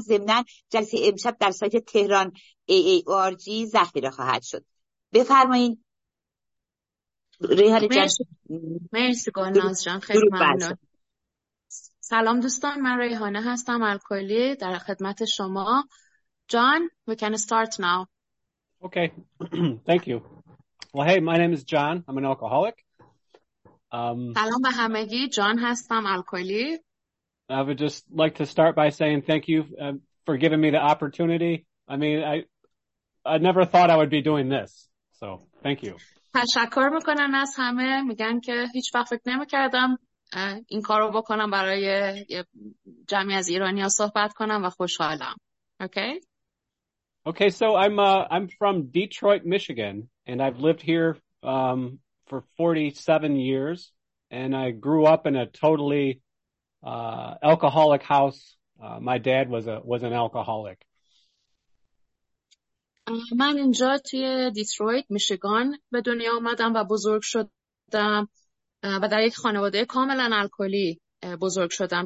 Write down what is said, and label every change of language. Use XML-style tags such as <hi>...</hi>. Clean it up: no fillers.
<fa>ضمناً جلسه امشب در سایت تهران AARG ذخیره خواهد شد. بفرمایید ریحانه جان. مرسی گلناز جان، خیلی ممنون. سلام دوستان، من ریحانه هستم، الکلی در خدمت شما.</fa> <en>John, we can start now. Okay. Thank you. Well, hey, my name is John. I'm an alcoholic.</en> <fa>سلام به همگی، جان هستم، الکلی.</fa> <en>I would just like to start by saying thank you for giving me the opportunity. I mean, I never thought I would be doing this. So, thank you.</en> <fa>تشکر میکنم از همه، میگن که هیچ وقت فکر نمیکردم این کار رو بکنم برای جمعی از ایرانی ها صحبت کنم و خوشحالم.</fa> <en>Okay? Okay, so I'm from Detroit, Michigan, and I've lived here for 47 years, and I grew up in a totally alcoholic house. My dad was an alcoholic.</en> <fa>من اینجا توی دیترویت میشیگان به دنیا آمدم و بزرگ شدم و در یک خانواده کاملا الکلی بزرگ شدم.</fa>